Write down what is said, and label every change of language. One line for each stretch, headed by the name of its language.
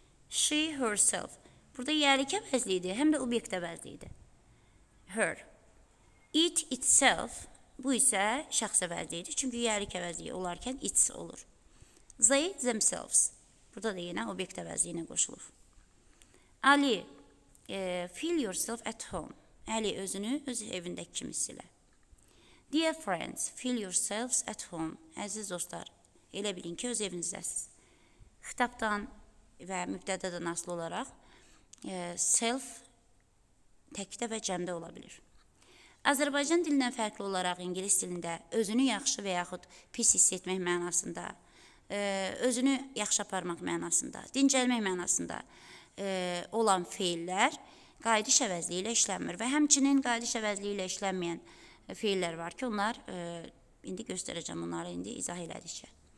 English: She, herself.
Azerbaijani: Burada yerlik əvəzliyidir, həm də obyekt əvəzliyidir.
English: her. It itself,
Azerbaijani: bu isə şəxs əvəzliyidir. Çünki yəlik əvəzliyi olarkən its olur.
English: They themselves,
Azerbaijani: burada da yenə obyekt əvəzliyinə qoşulub.
English: Ali, feel yourself at home.
Azerbaijani: Ali özünü öz evində kimi hiss elə.
English: Dear friends, feel yourselves at home.
Azerbaijani: Əziz dostlar, elə bilin ki, öz evinizdəsiniz. Xitabdan və mübtədədən asılı olaraq self təkdə və cəmdə ola bilir. Azərbaycan dilindən fərqli olaraq ingilis dilində özünü yaxşı və yaxud pis hiss etmək mənasında, özünü yaxşı aparmaq mənasında, dincəlmək mənasında olan feillər qayıdış əvəzliyi ilə işlənmir və həmçinin qayıdış əvəzliyi ilə işlənməyən feillər var ki, onlar, indi göstərəcəm, onları indi izah elədikcə.